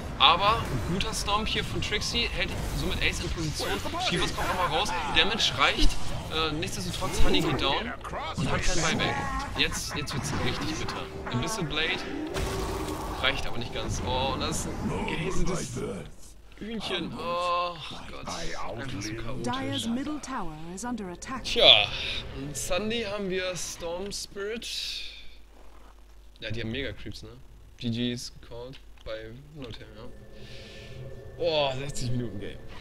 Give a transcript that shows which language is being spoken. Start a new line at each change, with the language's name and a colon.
German: Aber guter Stomp hier von Trixie, hält somit Ace in Position. Shivas kommt nochmal raus, Damage reicht. Nichtsdestotrotz, Honey geht down und hat kein Buyback. Jetzt wird es richtig bitter. Ein bisschen Blade reicht aber nicht ganz. Oh, und das ist das Hühnchen. Oh Gott,
English: Dire's Middle Tower is under attack.
German: Tja, und Sunday haben wir Storm Spirit. Ja, die haben Mega-Creeps, ne? GG ist gecallt bei Notem, ja. Boah, 60 Minuten Game.